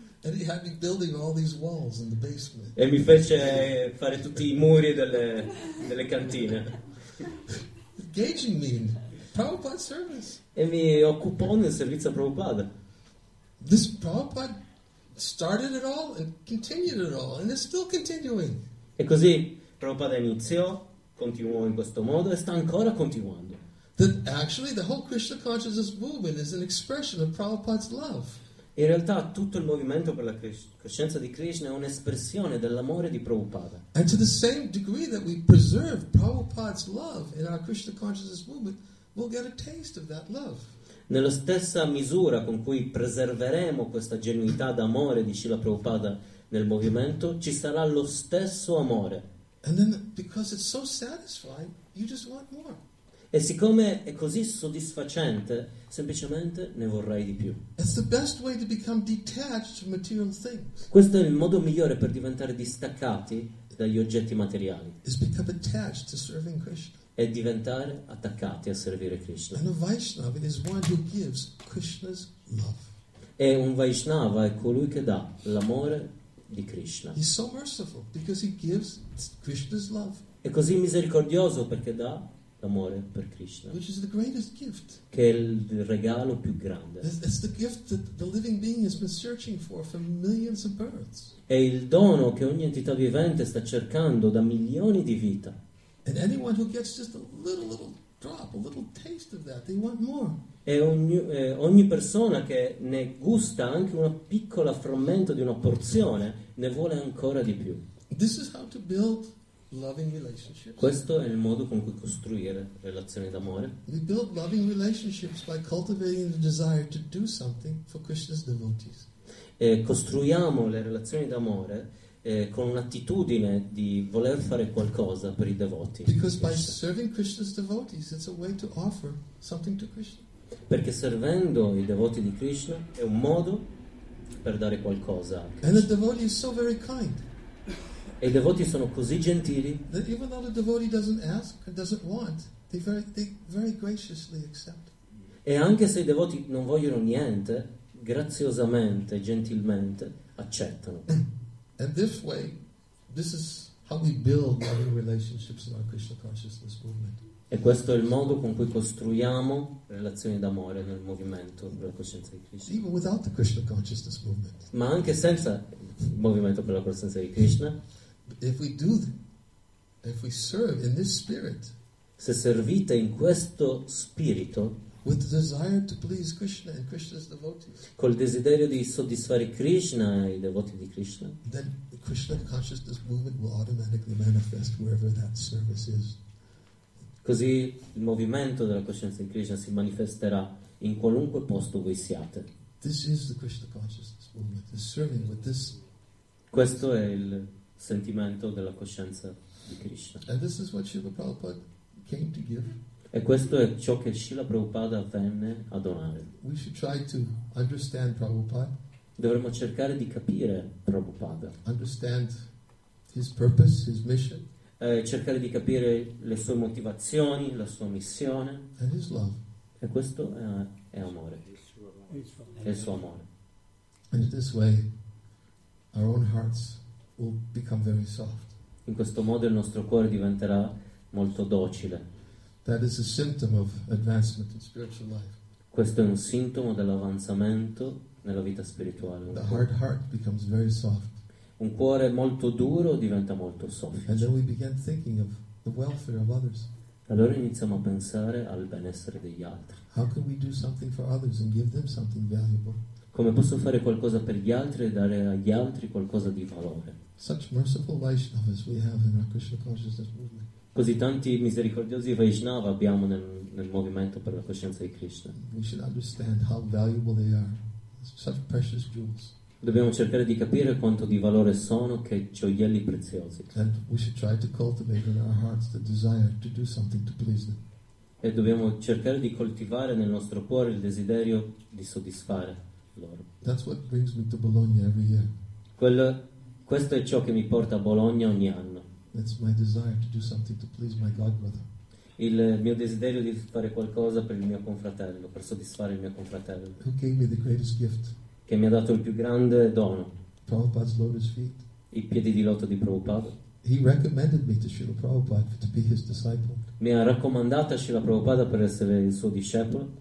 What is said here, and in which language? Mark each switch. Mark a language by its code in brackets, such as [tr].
[en] And he had me building all these walls in the basement. [it] E mi fece fare tutti i muri delle cantine. [en] Engaging me in Prabhupada service. [it] E mi occupò nel servizio a Prabhupada. [en] This Prabhupada started it all and continued it all, and is still continuing. [it] E così Prabhupada iniziò, continuò in questo modo e sta ancora continuando. [en] That actually the whole Krishna consciousness movement is an expression of Prabhupada's love. [it] In realtà tutto il movimento per la coscienza di Krishna è un'espressione dell'amore di Prabhupada. [en] And to the same degree that we preserve Prabhupada's love in our Krishna consciousness movement, we'll get a taste of that love. [it] Nella stessa misura con cui preserveremo questa genuinità d'amore di Srila Prabhupada nel movimento, ci sarà lo stesso amore. [en] And then, because it's so satisfying, you just want more. [it] E siccome è così soddisfacente, semplicemente ne vorrai di più. [en] It's the best way to become detached from material things. [it] Questo è il modo migliore per diventare distaccati dagli oggetti materiali. [en] Is become attached to serving Krishna. [it] E diventare attaccati a servire Krishna. [en] And a Vaishnava is one who gives Krishna's love. [it] E un Vaishnava è colui che dà l'amore di Krishna. [en] He's so merciful because he gives Krishna's love. [it] È così misericordioso perché dà l'amore per Krishna. [en] Which is the greatest gift. [it] Che è il regalo più grande. [en] It's the gift that the living being has been searching for millions of births. [it] È il dono che ogni entità vivente sta cercando da milioni di vite. [en] And anyone who gets just a little drop, a little taste of that. They want more. [it] E ogni persona che ne gusta anche una piccola frammento di una porzione ne vuole ancora di più. [en] This is how to build loving relationships. [it] Questo è il modo con cui costruire relazioni d'amore. [en] We build loving relationships by cultivating the desire to do something for Krishna's devotees. [it] E costruiamo le relazioni d'amore con un'attitudine di voler fare qualcosa per i devoti. [en] Because by serving Krishna's devotees, it's a way to offer something to Krishna. [it] Perché servendo i devoti di Krishna è un modo per dare qualcosa a Krishna. [en] And the devotee is so very kind. [it] E i devoti sono così gentili. [en] That even though the devotee doesn't ask or doesn't want, they very graciously accept. [it] E anche se i devoti non vogliono niente, graziosamente, gentilmente accettano. [en] And this way, this is how we build loving relationships in our Krishna consciousness movement. [it] E questo è il modo con cui costruiamo relazioni d'amore nel movimento per la coscienza di Krishna. [en] Even without the Krishna consciousness movement. [it] Ma anche senza il movimento per la coscienza di Krishna. [en] If we serve in this spirit, [it] se servite in questo spirito, [en] with the desire to please Krishna and Krishna's devotees, [it] col desiderio di soddisfare Krishna e i devoti di Krishna, [en] then the Krishna consciousness movement will automatically manifest wherever that service is. [it] Così il movimento della coscienza di Krishna si manifesterà in qualunque posto voi siate. [en] This is the Krishna consciousness movement, the serving with this. [it] Questo è il sentimento della coscienza di Krishna. [en] And this is what Srila Prabhupada came to give. [it] E questo è ciò che Srila Prabhupada venne a donare. [en] We should try to understand Prabhupada. [it] Dovremmo cercare di capire Prabhupada. [en] Understand his purpose, his mission. [it] Cercare di capire le sue motivazioni, la sua missione. [en] And his love. [it] E questo è amore. È il suo amore. [en] And in this way, our own hearts will become very soft. [it] In questo modo il nostro cuore diventerà molto docile. [en] That is a symptom of advancement in spiritual life. [it] Questo è un sintomo dell'avanzamento nella vita spirituale. [en] The hard heart becomes very soft. [it] Un cuore molto duro diventa molto soffice. [en] And then we begin thinking of the welfare of others. [it] Allora iniziamo a pensare al benessere degli altri. [en] How can we do something for others and give them something valuable? [it] Come posso fare qualcosa per gli altri e dare agli altri qualcosa di valore? [en] Such merciful Vaishnavas we have in our Krishna consciousness movement. [it] Così tanti misericordiosi Vaishnava abbiamo nel movimento per la coscienza di Krishna. [en] We should understand how valuable they are. Such precious jewels. [it] Dobbiamo cercare di capire quanto di valore sono che gioielli preziosi. [en] And we should try to cultivate in our hearts the desire to do something to please them. [it] E dobbiamo cercare di coltivare nel nostro cuore il desiderio di soddisfare. [en] That's what brings me to Bologna every year. [it] Questo è ciò che mi porta a Bologna ogni anno. [en] That's my desire to do something to please my godbrother. [it] Il mio desiderio di fare qualcosa per il mio confratello, per soddisfare il mio confratello. [en] Who gave me the greatest gift? [it] Che mi ha dato il più grande dono. [en] Prabhupada's lotus feet. [it] I piedi di loto di Prabhupada. [en] He recommended me to Srila Prabhupada to be his disciple. [it] Mi ha raccomandato a Srila Prabhupada per essere il suo discepolo.